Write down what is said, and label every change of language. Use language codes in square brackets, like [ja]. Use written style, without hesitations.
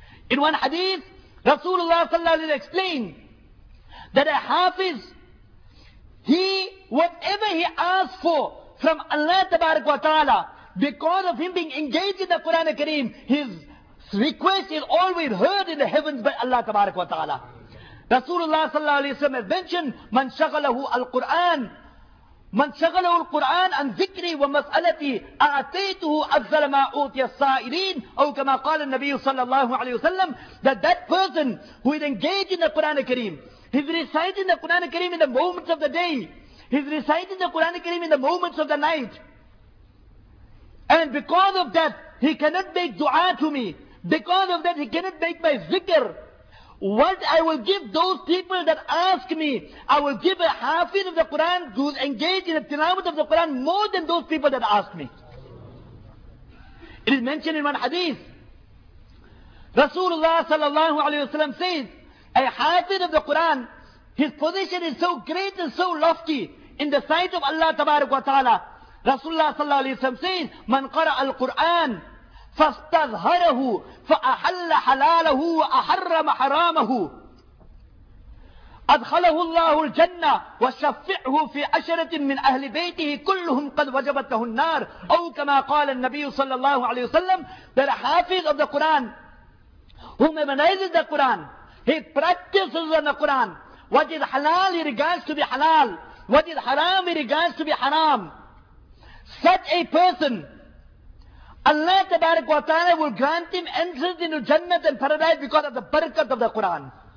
[en] In one hadith, Rasulullah sallallahu alayhi wa sallam explained that a hafiz, he, whatever he asks for from Allah tabarak wa ta'ala, because of him being engaged in the Quran Kareem, his request is always heard in the heavens by Allah tabarak wa ta'ala. [ar] Rasulullah sallallahu alayhi wa sallam [en] has mentioned, [ar] man shagalahu al-Quran, من شغله القرآن عن ذكري ومسألتي أعطيته أفضل ما أوتي السائلين. أو كما قال النبي صلى الله عليه وسلم, [en] that person who is engaged in the Quran Kareem, he's reciting the Quran Kareem in the moments of the day, he's reciting the Quran Kareem in the moments of the night, and because of that he cannot make dua to me, because of that he cannot make my zikr, what I will give those people that ask me, I will give a hafiz of the Quran who's engaged in the tilawat of the Quran more than those people that ask me. It is mentioned in one hadith. Rasulullah sallallahu alayhi wa sallam says, a hafiz of the Quran, his position is so great and so lofty in the sight of Allah tabarak wa ta'ala. [ar] Rasulullah sallallahu alayhi wa sallam says, man qara'a al-Quran, فَاسْتَظْهَرَهُ فَأَحَلَّ حَلَالَهُ وَأَحَرَّمَ حَرَامَهُ أَدْخَلَهُ اللَّهُ الْجَنَّةِ وَشَفِّعْهُ فِي أَشَرَةٍ مِّنْ أَهْلِ بَيْتِهِ كُلُّهُمْ قَدْ وَجَبَتَهُ النَّارِ. أو كما قال النبي صلى الله عليه وسلم, [en] that a hafiz of the Quran, who memorizes the Quran, he practices on the Quran, what is halal he regards to be halal, what is haram he regards to be haram, such a person, Allah tabarak wa ta'ala will grant him entrance into Jannat and Paradise because of the barakat of the Quran.